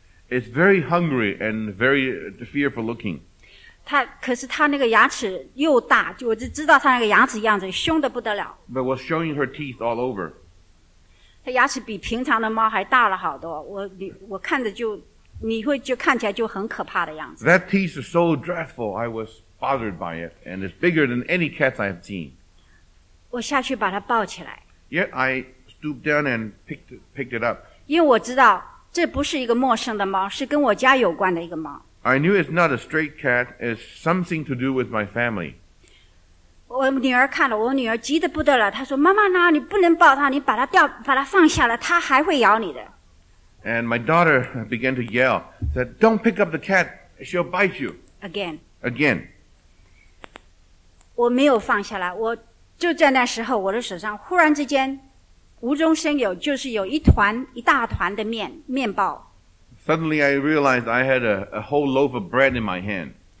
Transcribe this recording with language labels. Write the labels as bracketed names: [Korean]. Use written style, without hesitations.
[English] It's very hungry and very fearful looking. [Chinese] 可是它那个牙齿又大我就知道它那个牙齿样子凶得不得了。 [English] But was showing her teeth all over. [Chinese] 它牙齿比平常的猫还大了好多 我看着就你会就看起来就很可怕的样子。 [English] That teeth is so dreadful. I was bothered by it, and it's bigger than any cats I've seen. [Chinese] 我下去把它抱起来。 [English] Yet I stooped down and picked it up. [Chinese] 因为我知道这不是一个陌生的猫，是跟我家有关的一个猫。 [English] I knew it's not a stray cat. It's something to do with my family. [Chinese] 我女儿看了，我女儿急得不得了。她说：“妈妈呢？你不能抱它，你把它放下了，它还会咬你的。” [English] And my daughter began to yell, said, don't pick up the cat, she'll bite you. Again. Again. [Chinese] 我没有放下来，我就在那时候，我的手上忽然之间，无中生有，就是有一大团的面包。 [English] Suddenly I realized I had a whole loaf of bread in my hand.